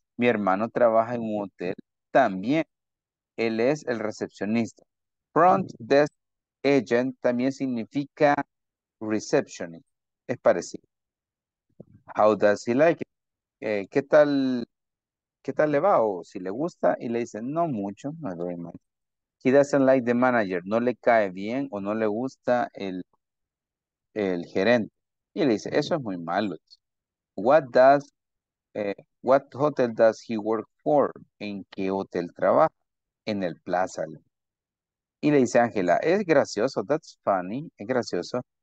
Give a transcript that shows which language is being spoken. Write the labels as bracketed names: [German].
[Spanish] Mi hermano trabaja en un hotel también. Él es el recepcionista. Front desk agent también significa receptionist. Es parecido. [English] How does he like it? [Spanish] ¿Qué tal le va? O si le gusta. Y le dice, no mucho, [English] not very much. He doesn't like the manager. [Spanish] No le cae bien o no le gusta el gerente. Y le dice, eso es muy malo. [English] What hotel does he work for? [Spanish] ¿En qué hotel trabaja? En el Plaza. Y le dice Ángela, es gracioso. [English] That's funny. [Spanish] Es gracioso.